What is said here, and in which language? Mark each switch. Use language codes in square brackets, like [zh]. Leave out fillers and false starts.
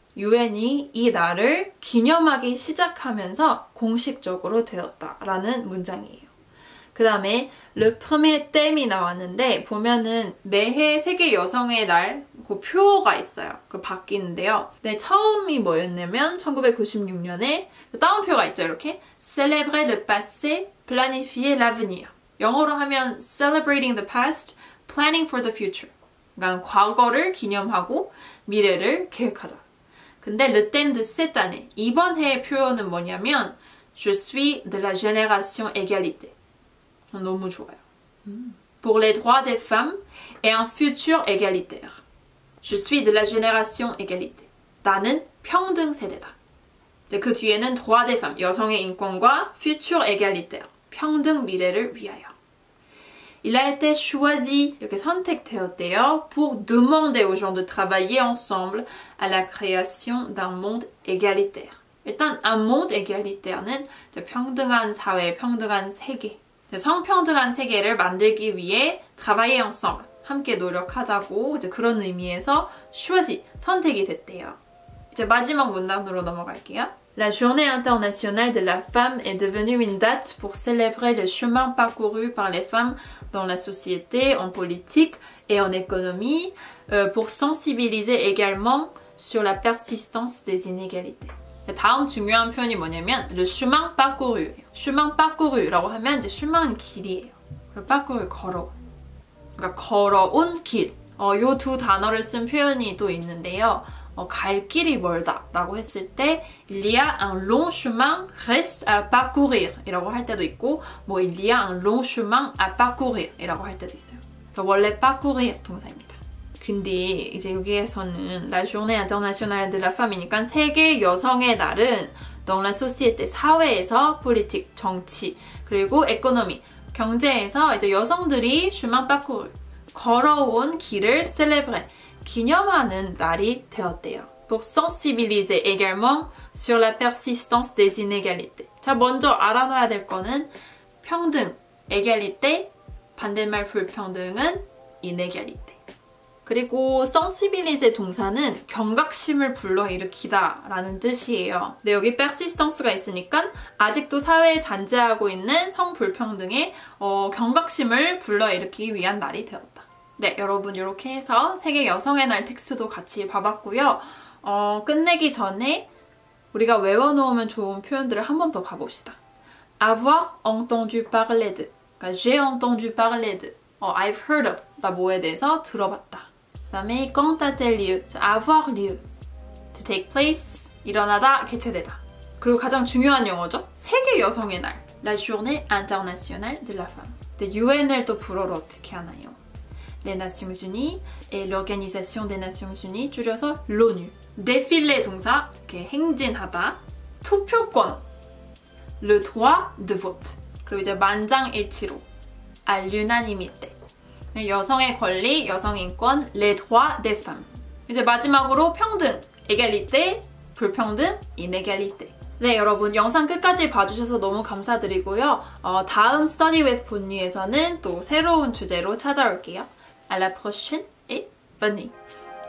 [ko] UN이 이 날을 기념하기 시작하면서 공식적으로 되었다라는 문장이에요. 그 다음에 Le Premier Thème이 나왔는데 보면은 매해 세계 여성의 날 그 표어가 있어요. 그 바뀌는데요. 네, 처음이 뭐였냐면 1996년에 따옴표가 있죠, 이렇게. [fr] Célébrer le passé, planifier l'avenir. [ko] 영어로 하면 [en] celebrating the past, planning for the future. [ko] 그러니까 과거를 기념하고 미래를 계획하자. 근데 [fr] le thème de cette année, [ko] 이번 해의 표현은 뭐냐면 [fr] je suis de la génération égalité. [ko] 너무 좋아요. [fr] Pour les droits des femmes et un futur égalitaire. Je suis de la génération égalité. [ko] 나는 평등 세대다. [fr] 그 뒤에는 droits des femmes, [ko] 여성의 인권과 [fr] future égalitaire. [ko] 평등 미래를 위하여. [fr] Il a été choisi, [ko] 이렇게 선택되었대요. [fr] Pour demander aux gens de travailler ensemble à la création d'un monde égalitaire. [ko] 일단, un monde égalitaire는 평등한 사회, 평등한 세계. 성평등한 세계를 만들기 위해 [fr] travailler ensemble, [ko] 함께 노력하자고 이제 그런 의미에서 choisir, 선택이 됐대요. 이제 마지막 문단으로 넘어갈게요. [fr] La journée internationale de la femme est devenue une date pour célébrer le chemin parcouru par les femmes dans la société, en politique et en économie, pour sensibiliser également sur la persistance des inégalités. [ko] 다음 중요한 표현이 뭐냐면 [fr] le chemin parcouru. [ko] chemin parcouru 라고 하면 이제 chemin 길이에요. 그리고 parcouru 걸어. 그러니까 걸어온 길. 요 두 단어를 쓴 표현이 또 있는데요. 갈 길이 멀다 라고 했을 때 [fr] il y a un long chemin reste à parcourir [ko] 이라고 할 때도 있고 뭐 [fr] il y a un long chemin à parcourir [ko] 이라고 할 때도 있어요. 그래서 원래 parcourir 동사입니다. 근데 이제 여기에서는 [fr] La journée internationale de la femme [ko] 이니까 세계 여성의 날은 [fr] dans la société, [ko] 사회에서 politique, 정치, 그리고 économie, 경제에서 이제 여성들이 [fr] chemin parcourir [ko] 걸어온 길을 célébrer 기념하는 날이 되었대요. [fr] Pour sensibiliser également sur la persistance des inégalités. [ko] 자, 먼저 알아놔야 될 거는 평등, égalité, 반대말 불평등은 inégalité. 그리고 sensibiliser 동사는 경각심을 불러일으키다 라는 뜻이에요. 근데 여기 persistance가 있으니까 아직도 사회에 잔재하고 있는 성불평등에 경각심을 불러일으키기 위한 날이 되었다. 네, 여러분 이렇게 해서 세계 여성의 날 텍스트도 같이 봐봤고요. 끝내기 전에 우리가 외워놓으면 좋은 표현들을 한 번 더 봐봅시다. [fr] Avoir entendu parler de, 그러니까 j'ai entendu parler de, [en] I've heard of, [ko] 나 뭐에 대해서 들어봤다. 그 다음에 [fr] quand a-t-il lieu, avoir lieu, [en] to take place, [ko] 일어나다, 개최되다. 그리고 가장 중요한 용어죠. 세계 여성의 날, la journée internationale de la femme. 근데 UN을 또 불어로 어떻게 하나요? [fr] Les Nations Unies et l'Organisation des Nations Unies, 줄여서 l'ONU. [ko] 데필레 동사, 이렇게 행진하다. 투표권, [fr] le droit de vote. [ko] 그리고 이제 만장일치로, [fr] à l'unanimité. [ko] 여성의 권리, 여성 인권, [fr] les droits des femmes. [ko] 이제 마지막으로 평등, égalité, 불평등, inégalité. 네, 여러분 영상 끝까지 봐주셔서 너무 감사드리고요. 다음 Study with Bonnie에서는 또 새로운 주제로 찾아올게요. [fr] À la prochaine et bonne nuit.